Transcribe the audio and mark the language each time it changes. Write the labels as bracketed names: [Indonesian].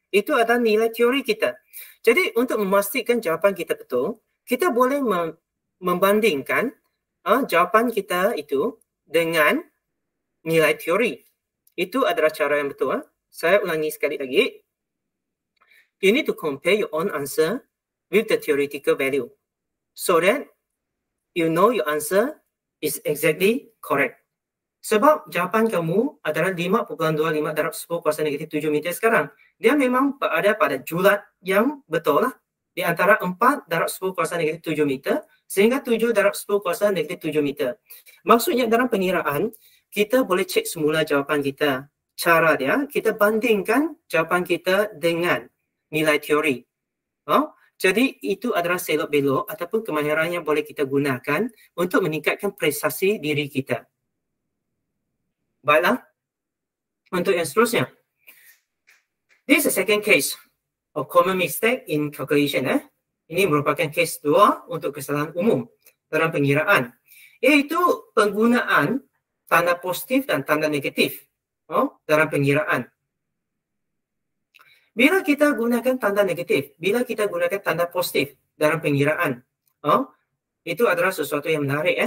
[Malay] Itu adalah nilai teori kita. Jadi untuk memastikan jawapan kita betul, kita boleh membandingkan jawapan kita itu dengan nilai teori. Itu adalah cara yang betul. Saya ulangi sekali lagi. [English] You need to compare your own answer with the theoretical value so that you know your answer is exactly correct. [Malay] Sebab jawapan kamu adalah 5.25 darab 10 kuasa negatif 7 meter sekarang. Dia memang berada pada julat yang betul lah. Di antara 4 darab 10 kuasa negatif 7 meter sehingga 7 darab 10 kuasa negatif 7 meter. Maksudnya dalam pengiraan, kita boleh cek semula jawapan kita. Cara dia, kita bandingkan jawapan kita dengan nilai teori. Jadi itu adalah selok belok ataupun kemahiran yang boleh kita gunakan untuk meningkatkan prestasi diri kita. Baiklah, untuk yang seterusnya. [English] This is the second case of common mistake in calculation. [Malay] Ini merupakan case 2 untuk kesalahan umum dalam pengiraan, iaitu penggunaan tanda positif dan tanda negatif dalam pengiraan. Bila kita gunakan tanda negatif, bila kita gunakan tanda positif dalam pengiraan, itu adalah sesuatu yang menarik.